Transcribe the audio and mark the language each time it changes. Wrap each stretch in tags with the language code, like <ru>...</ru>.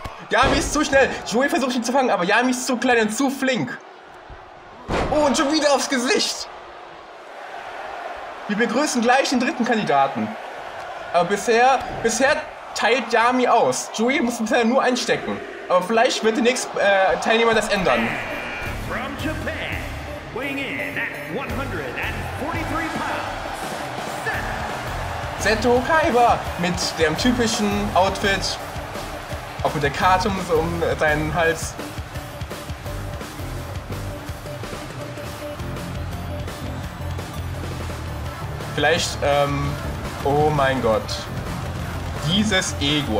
<de>Yami ist zu schnell. Joey versucht ihn zu fangen, aber Yami ist zu klein und zu flink. Oh, und schon wieder aufs Gesicht. Wir begrüßen gleich den dritten Kandidaten. Aber bisher teilt Yami aus. Joey muss bisher nur einstecken. Aber vielleicht wird der nächste Teilnehmer das ändern.</de> <en>From Japan, weighing in at 143 pounds, Seth.</en> <de>Seto Kaiba mit dem typischen Outfit. Auch mit der Karte um deinen Hals. Vielleicht, oh mein Gott. Dieses Ego.</de>